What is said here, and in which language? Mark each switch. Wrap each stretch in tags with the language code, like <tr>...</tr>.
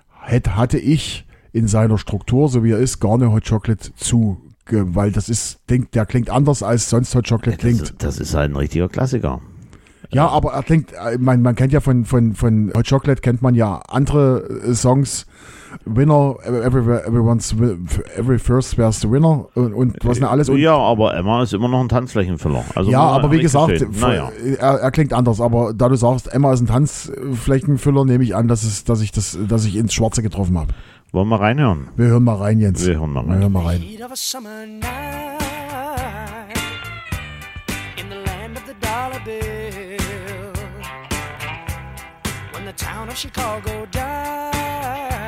<de>hatte ich in seiner Struktur, so wie er ist, gar nicht Hot Chocolate zu, weil das ist, der klingt anders als sonst Hot Chocolate klingt. Das ist halt ein richtiger Klassiker. Ja, aber er klingt, man kennt ja von Hot Chocolate, kennt man ja andere Songs.</de> <en>Winner, every first wears the winner</en> <de>und was nicht alles. Ja, aber Emma ist immer noch ein Tanzflächenfüller. Also ja, aber wie gesagt, er klingt anders. Aber da du sagst, Emma ist ein Tanzflächenfüller, nehme ich an, dass ich ins Schwarze getroffen habe. Wollen wir reinhören? Wir hören mal rein, Jens. Wir hören mal rein.</de> <en>It was summer night in the land of the dollar bill when the town of Chicago died.</en>